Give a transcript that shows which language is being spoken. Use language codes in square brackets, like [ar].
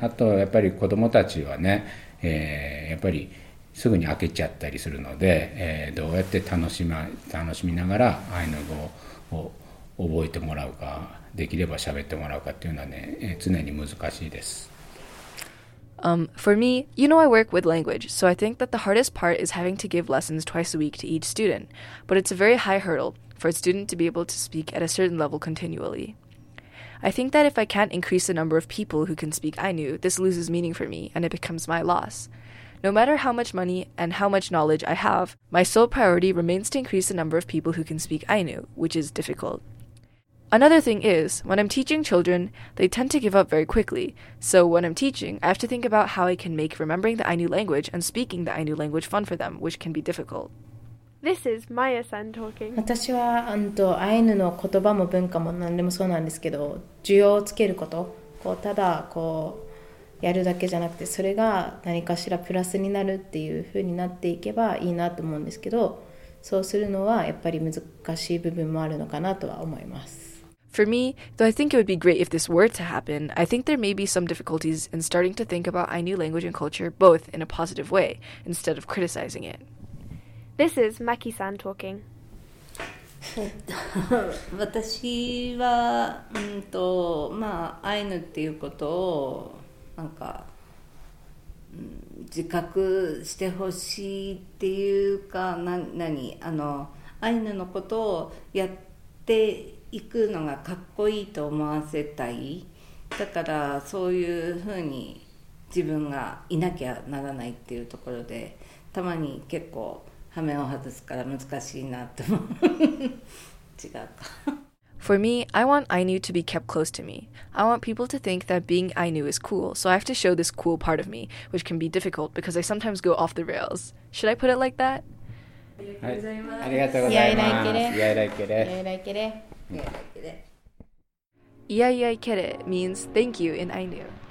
[ja] あとやっぱり子どもたちはね、やっぱりすぐに開けちゃったりするので、どうやって楽しみながらアイヌ語を覚えてもらうか、できれば喋ってもらうかっていうのはね、常に難しいです。 [en] For me, you know I work with language, so I think that the hardest part is having to give lessons twice a week to each student. But it's a very high hurdle for a student to be able to speak at a certain level continually. I think that if I can't increase the number of people who can speak Ainu, this loses meaning for me, and it becomes my loss. No matter how much money and how much knowledge I have, my sole priority remains to increase the number of people who can speak Ainu, which is difficult. Another thing is, when I'm teaching children, they tend to give up very quickly. So when I'm teaching, I have to think about how I can make remembering the Ainu language and speaking the Ainu language fun for them, which can be difficult. This is Maya-san talking. [ja] 私は、アイヌの言葉も文化も何でもそうなんですけど、需要をつけること、こうただこうやるだけじゃなくて、それが何かしらプラスになるっていう風になっていけばいいなと思うんですけど、そうするのはやっぱり難しい部分もあるのかなとは思います。 [en] For me, though I think it would be great if this were to happen, I think there may be some difficulties in starting to think about Ainu language and culture both in a positive way, instead of criticizing it. This is Maki-san talking. [ja] 私は、まあ、アイヌっていうことをなんか、自覚してほしいっていうか、アイヌのことをやって行くのがかっこいいと思わせたい。だからそういうふうに自分がいなきゃならないっていうところで、たまに結構羽目を外すから難しいなと思う。違うか。 [en] For me, I want Ainu to be kept close to me. I want people to think that being Ainu is cool, so I have to show this cool part of me, which can be difficult because I sometimes go off the rails. Should I put it like that? [ja] ありがとうございます。ありがとうございます。 [ain] いやいらいけれ。いやいらいけれ。 [en] Yeah, yeah, get it means thank you in Ainu.